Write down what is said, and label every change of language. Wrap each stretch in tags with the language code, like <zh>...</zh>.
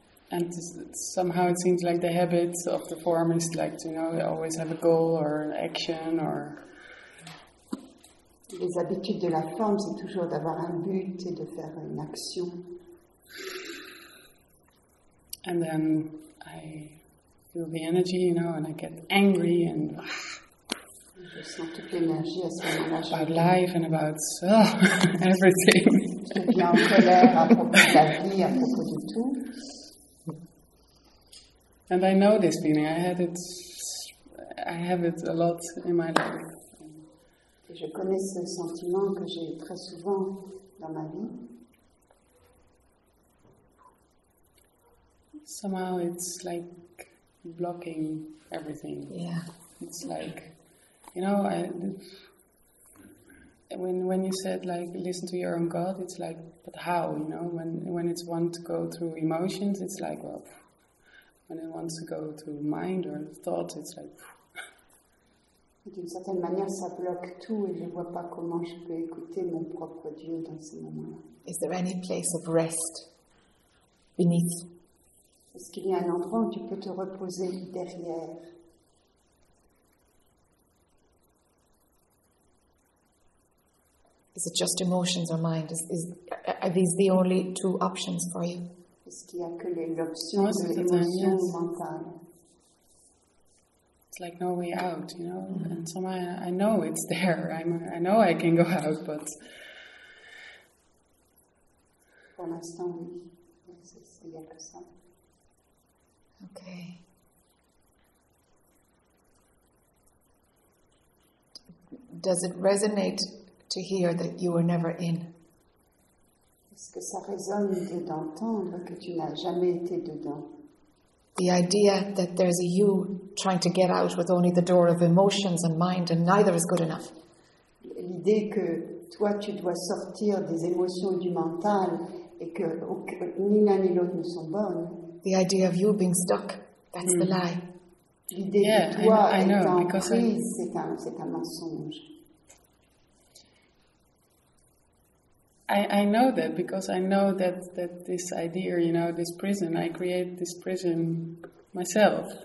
<en>And somehow it seems like the habit of the form is like to, you know, always have a goal or an action or.</en> <fr>Les habitudes de la forme, c'est toujours d'avoir un but et de faire une action.</fr> <en>And then I feel the energy, you know, and I get angry and.</en> <fr>Je sens toute l'énergie à ce moment-là.</fr> <en>About life and about everything.</en> <fr>Je deviens en colère à propos de la vie, à propos de tout.</fr> <en>And I know this feeling. I have it a lot in my life.</en> <fr>Et je connais ce sentiment que j'ai très souvent dans ma vie.</fr> <en>Somehow it's like blocking everything. Yeah. It's like, you know, when you said like listen to your own God, it's like, but how? You know, when it's want to go through emotions, it's like, well. When it wants to go to mind or thought, it's like.</en> <fr>D'une certaine manière, ça bloque tout et je vois pas comment je peux écouter mon propre Dieu dans ce moment.</fr> <en>Is there any place of rest beneath?</en> <fr>Est-ce qu'il y a un endroit où tu peux te reposer derrière?</fr> <en>Is it just emotions or mind? Are these the only two options for you?</en> <fr>Est-ce qu'il n'y a que l'option de l'émotion mentale?</fr> <en>It's like no way out, you know? Mm-hmm. And somehow I know it's there. I know I can go out, but.</en> <fr>Pour l'instant, oui. Il n'y a que ça.</fr> <en>Ok. Does it resonate to hear that you were never in?</en> <fr>Est-ce que ça résonne de d'entendre que tu n'as jamais été dedans?</fr> <en>The idea that there's a you trying to get out with only the door of emotions and mind and neither is good enough.</en> <fr>L'idée que toi tu dois sortir des émotions du mental et que ni l'un ni l'autre ne sont bonnes.</fr> <en>The idea of you being stuck, that's the lie.</en> <fr>L'idée de toi étant prise, c'est un mensonge.</fr> <en>I know that because I know that this idea, you know, this prison, I create this prison myself.</en>